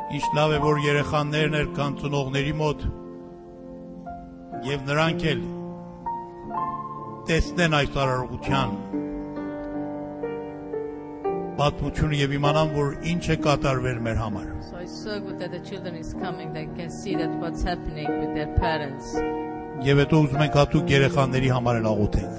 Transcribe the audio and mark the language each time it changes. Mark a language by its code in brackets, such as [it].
[hy] Լավ է, որ երեխաներն էր կան ծնողների մոտ և նրանք էլ տեսնեն այս արարողության պատմությունը և իմանան, որ ինչ է կատարվել մեր համար։ [en] So it's so good that the children is coming, they can see that what's happening with their parents. [hy] Եվ հետո ուզում ենք հատուկ երեխաների համար էլ աղոթենք։